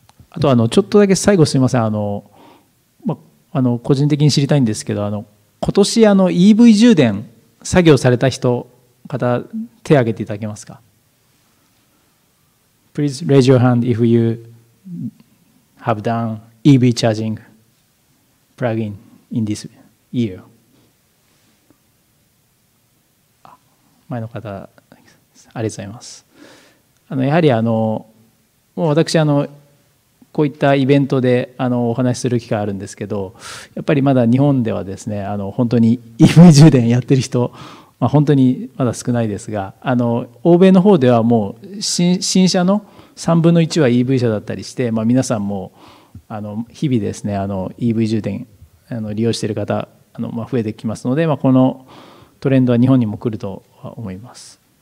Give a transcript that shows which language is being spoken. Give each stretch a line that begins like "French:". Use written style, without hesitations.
Japanese: あとちょっとだけ最後すみません、ま、個人的に知りたいんですけど、今年EV 充電作業された人方手を挙げていただけますか。
English: Please raise your hand if you have done EV charging plug-in in this year。
Japanese: 前の方ありがとうございます。やはりもう私こういったイベントでお話しする機会あるんですけど、やっぱりまだ日本ではですね、本当に EV 充電やってる人、まあ、本当にまだ少ないですが、欧米の方ではもう 新車の3分の1は EV 車だったりして、まあ、皆さんも日々ですね、EV 充電利用している方まあ、増えてきますので、まあ、このトレンドは日本にも来るとは思います。